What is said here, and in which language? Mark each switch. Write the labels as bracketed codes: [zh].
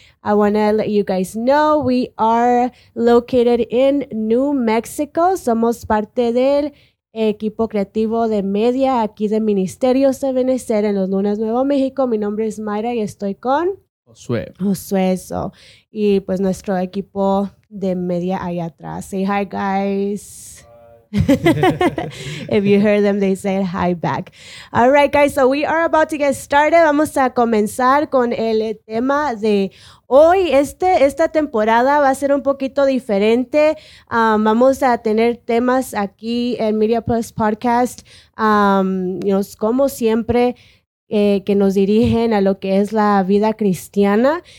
[en] I want to let you guys know we are located in New Mexico. [es] Somos parte del equipo creativo de media aquí de Ministerio Sevenecer en los Lunas Nuevo México. Mi nombre es Mayra y estoy con Josué. [en] Josué, so. [es] Y pues nuestro equipo de media ahí atrás. [en] Say hi, guys. If you heard them, they said hi back. All right, guys, so we are about to get started. [es] Vamos a comenzar con el tema de hoy. Esta temporada va a ser un poquito diferente. Vamos a tener temas aquí en Mediaplus Podcast, como siempre, que nos dirigen a lo que es la vida cristiana.